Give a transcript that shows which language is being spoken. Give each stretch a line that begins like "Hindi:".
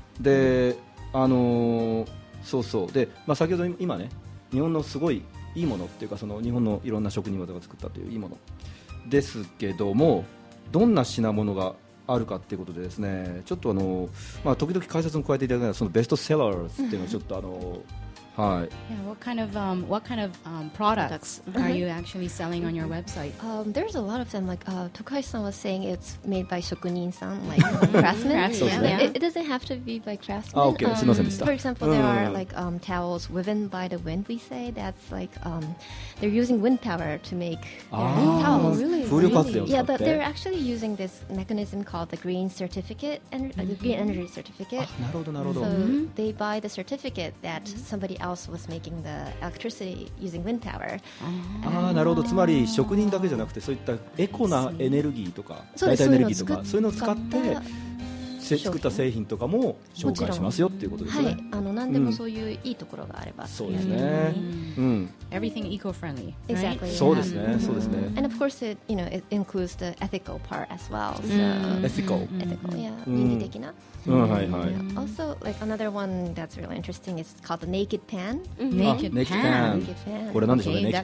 Japanese: で、そうそう、で、まあ、先ほど今ね、日本のすごいいいものっていうか、その日本のいろんな職人技が作ったといういいものですけども、どんな品物があるかっていうことでですね、ちょっとまあ、時々解説も加えていただくような、そのベストセラーズっていうのをちょっとはい。
English: Yeah, what kind of products are you actually selling on your website? There's a lot of them. Like Tokai-san was saying, it's made by shokunin-san, like craftsmen. It doesn't have to be by craftsmen. Ah, okay.
Japanese: すいませんでした。
English: For example, there are like towels woven by the wind. We say that's like they're using wind power to make towels. Really? Yeah, but they're actually using this mechanism called the green certificate and the green energy certificate.
Japanese: なるほどなるほど。
English: So they buy the certificate that somebody else was making the electricity using wind power.
Japanese: ああ、なるほど。つまり職人だけじゃなくて、そういったエコなエネルギーとか、代替エネルギーとか、そういうのを使って作った製品とかも紹介しますよっていうことですね。はい、何でもそういういいところがあれば。そうですね。
English: Everything eco-friendly. Exactly.
Japanese: そうですね。そうですね。
English: And of course, it, you know, it includes the ethical part as well. So ethical. Yeah.
Japanese: 倫理的な。
English: Also, like another one that's really interesting is called the naked pan. Naked pan.
Japanese: これなんでしょうね。Naked pan.